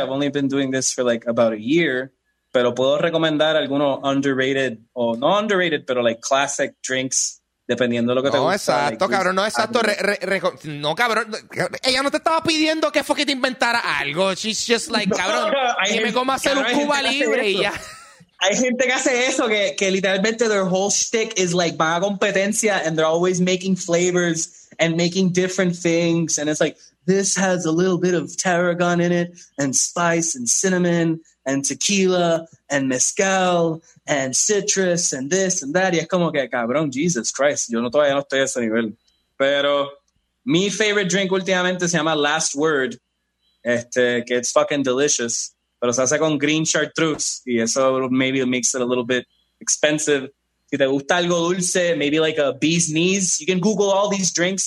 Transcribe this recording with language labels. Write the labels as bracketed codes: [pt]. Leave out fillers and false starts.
[en] I've only been doing this for like about a year, [es] pero puedo recomendar algunos [en] underrated [es] o no [en] underrated, [es] pero [en] like classic drinks, [es] dependiendo de lo que te guste. No, exacto, [en] like, [es] cabrón, no, exacto. No, cabrón, ella no te estaba pidiendo que fue que te inventara algo. [en] She's just like, [es] cabrón, dime cómo hacer un Cuba Libre y ya. Hay gente que hace eso, que literalmente [en] their whole shtick is like, [es] van a competencia [en] and they're always making flavors and making different things. And it's like, this has a little bit of tarragon in it and spice and cinnamon and tequila and mezcal and citrus and this and that. [es] Y es como que, cabrón, [en] Jesus Christ, [es] yo no todavía no estoy a ese nivel. Pero mi [en] favorite drink [es] últimamente se llama [en] Last Word, que it's fucking delicious. [es] Pero se hace con [en] green chartreuse, [es] y eso [en] maybe makes it a little bit expensive. [es] Si te gusta algo dulce, [en] maybe like a bee's knees, you can Google all these drinks.